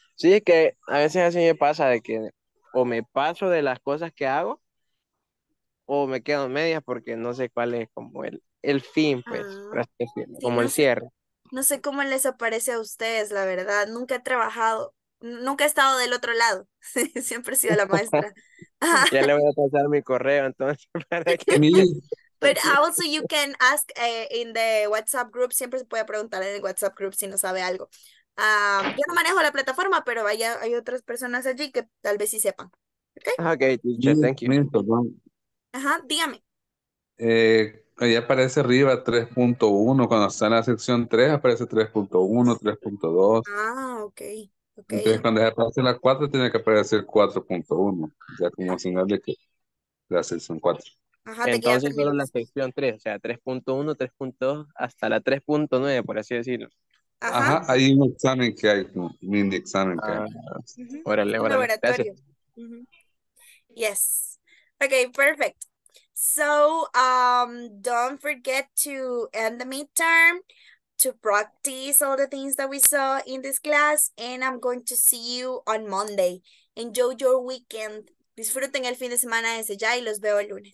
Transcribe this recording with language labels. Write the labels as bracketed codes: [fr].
[es] Sí, es que a veces así me pasa de que o me paso de las cosas que hago, o me quedo en medias porque no sé cuál es como el fin, pues, como el cierre. No sé cómo les aparece a ustedes, la verdad. Nunca he trabajado, nunca he estado del otro lado. Siempre he sido la maestra. Ya le voy a pasar mi correo, entonces. Para que... [en] But also you can ask in the WhatsApp group. [es] Siempre se puede preguntar en el WhatsApp group si no sabe algo. Yo no manejo la plataforma, pero hay otras personas allí que tal vez sí sepan. [en] Okay, teacher, thank you. [es] Dígame. Ahí aparece arriba 3.1, cuando está en la sección 3 aparece 3.1, 3.2. [en] Ah, okay. [es] Entonces cuando ya aparece la 4 tiene que aparecer 4.1, ya como señal de que la sección 4. Entonces solo la sección 3, o sea 3.1, 3.2, hasta la 3.9, por así decirlo. Hay un examen que hay, un mini examen que hay. Órale, órale. Laboratorio. [en] Yes. Okay, perfect. So, don't forget to end the midterm, to practice all the things that we saw in this class, and I'm going to see you on Monday. Enjoy your weekend. [es] Disfruten el fin de semana desde ya y los veo el lunes.